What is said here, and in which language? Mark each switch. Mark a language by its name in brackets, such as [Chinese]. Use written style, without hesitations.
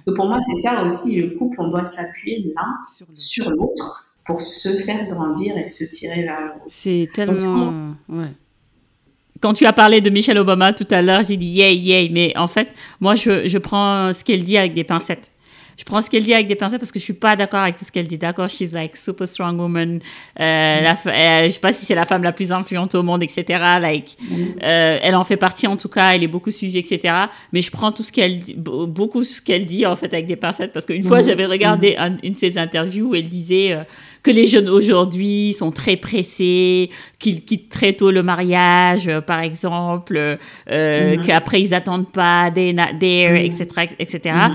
[French] Donc pour moi, c'est ça aussi, le couple, on doit s'appuyer l'un sur l'autre pour se faire grandir et se tirer vers l'autre. C'est tellement... Quand tu as parlé de Michelle Obama tout à l'heure, j'ai dit « yay, yay », mais en fait, moi, je prends ce qu'elle dit avec des pincettes. Je prends ce qu'elle dit avec des pincettes parce que je ne suis pas d'accord avec tout ce qu'elle dit. D'accord, [English] she's like super strong woman. [French] Je ne sais pas si c'est la femme la plus influente au monde, etc. Elle en fait partie en tout cas. Elle est beaucoup suivie, etc. Mais je prends tout ce qu'elle dit, beaucoup ce qu'elle dit en fait avec des pincettes parce qu'une fois, j'avais regardé une de ses interviews où elle disait que les jeunes aujourd'hui sont très pressés, qu'ils quittent très tôt le mariage, par exemple, qu'après, ils n'attendent pas, [English] they're not there, [French] etc., etc.